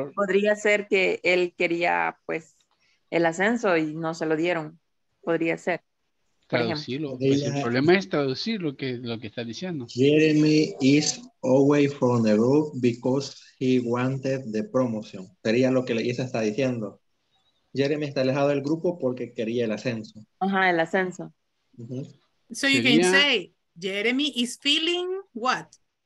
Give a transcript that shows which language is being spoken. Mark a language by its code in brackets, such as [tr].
[es] Podría ser que él quería, pues, el ascenso y no se lo dieron. Podría ser. Traducirlo. Pues el problema es traducir lo que está diciendo. [en] Jeremy is away from the group because he wanted the promotion. [es] Sería lo que Lisa está diciendo. Jeremy está alejado del grupo porque quería el ascenso. Ajá, el ascenso. [en] So you can say, Jeremy is feeling what?